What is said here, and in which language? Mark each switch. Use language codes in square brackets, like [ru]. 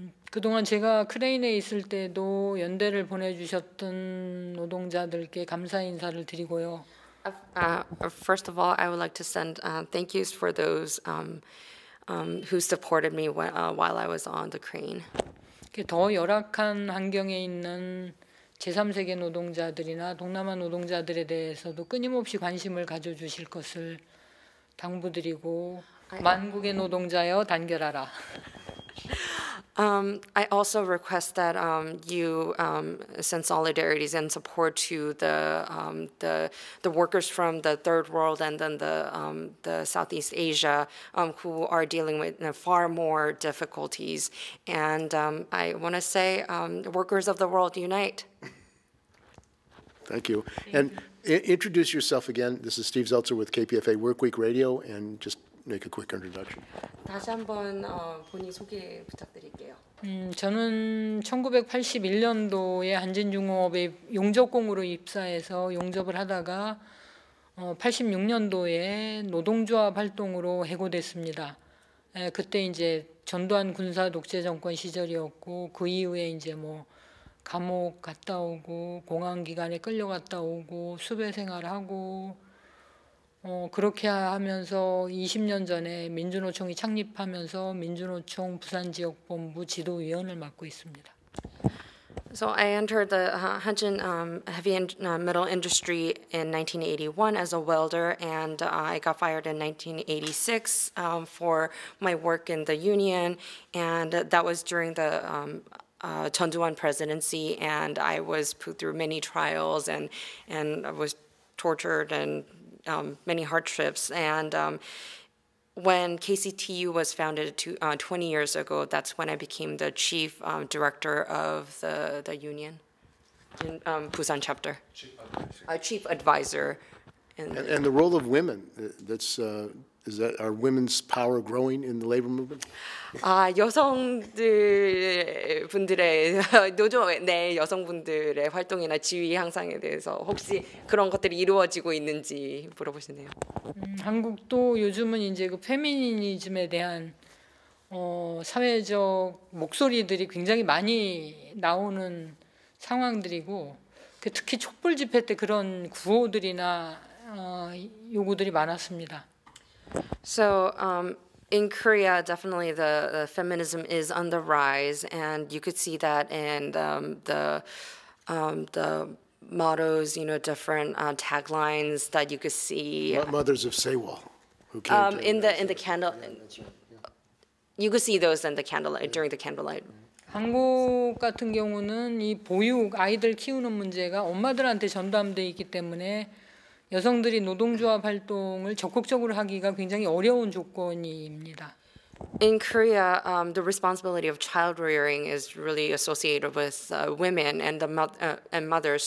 [ko] 그동안 제가 크레인에 있을 때도 연대를 보내주셨던 노동자들께 감사 인사를 드리고요. [en] First of all, I would like to send thank yous for those who supported me while I was on the crane. [ko] 더 열악한 환경에 있는 제3세계 노동자들이나 동남아 노동자들에 대해서도 끊임없이 관심을 가져주실 것을 당부드리고 만국의 노동자여 단결하라. [en] I also request that you send solidarities and support to the workers from the third world and then the Southeast Asia who are dealing with far more difficulties. And I want to say, workers of the world, unite. Thank you. And introduce yourself again. This is Steve Zeltzer with KPFA Workweek Radio, and just make a quick introduction. [ko] 다시 한번 본인 소개 부탁드릴게요. 저는 1981년도에 한진중공업에 용접공으로 입사해서 용접을 하다가 86년도에 노동조합 활동으로 해고됐습니다. 그때 이제 전두환 군사 독재 정권 시절이었고 그 이후에 이제 뭐 감옥 갔다 오고 공항 기관에 끌려갔다 오고 수배 생활하고 그렇게 하면서 20년 전에 민주노총이 창립하면서 민주노총 부산 지역 본부 지도 위원을 맡고 있습니다. [en] So I entered the Hanjin heavy metal industry in 1981 as a welder, and I got fired in 1986 for my work in the union, and that was during the Chun-Duan presidency, and I was put through many trials and I was tortured and many hardships. And when KCTU was founded 20 years ago, that's when I became the chief director of the union in Busan chapter. Chief advisor. And the role of women, is that, are women's power growing in the labor movement? [ko] 여성분들의 노조에 내 여성분들의 활동이나 지위 향상에 대해서 혹시 그런 것들이 이루어지고 있는지 물어보시네요. 한국도 요즘은 이제 그 페미니즘에 대한 사회적 목소리들이 굉장히 많이 나오는 상황들이고 그 특히 촛불 집회 때 그런 구호들이나 요구들이 많았습니다. [en] So in Korea, definitely the feminism is on the rise, and you could see that in the mottos, you know, different taglines that you could see. Mothers of Sewol, who came in the candle. Yeah. You could see those in the candlelight during the candlelight. [ko] 한국 같은 경우는 이 보육 아이들 키우는 문제가 엄마들한테 전담돼 있기 때문에. 여성들이 노동조합 활동을 적극적으로 하기가 굉장히 어려운 조건입니다. [en] In Korea, the responsibility of child rearing is really associated with women and the and mothers.